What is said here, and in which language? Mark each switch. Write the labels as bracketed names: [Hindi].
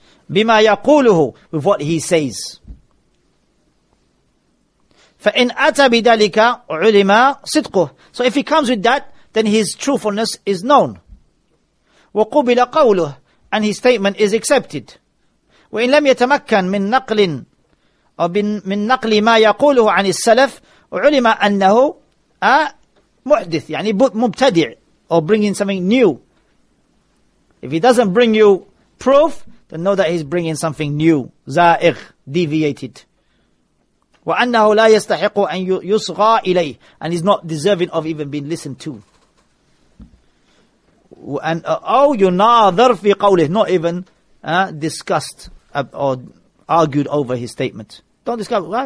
[Arabic] بِمَا يَقُولُهُ [English] with what he says. [Arabic] فَإِنْ أَتَى بِدَلِكَ عُلِمَا صِدْقُهُ [English] So if he comes with that, then his truthfulness is known. [Arabic] وَقُبِلَ قَوْلُهُ [English] And his statement is accepted. [Arabic] وَإِنْ لَمْ يَتَمَكَّنْ مِنْ نَقْلٍ أو مِنْ نَقْلِ مَا يَقُولُهُ عَنِ السَّلَفِ عُلِمَ أَنَّهُ مُحْدِثْ يعني مُبْتَدِعْ [English] Or bringing something new. If he doesn't bring you proof, then know that he's bringing something new. [Arabic] زائغ, [English] deviated. [Arabic] وَأَنَّهُ لَا يَسْتَحِقُ أَنْ يُصْغَى إِلَيْهِ [English] And he's not deserving of even being listened to. [Arabic] أَوْ يُنَاظَرْ فِي قَوْلِهِ [English] Not even discussed or argued over his statement. Don't discuss. Why?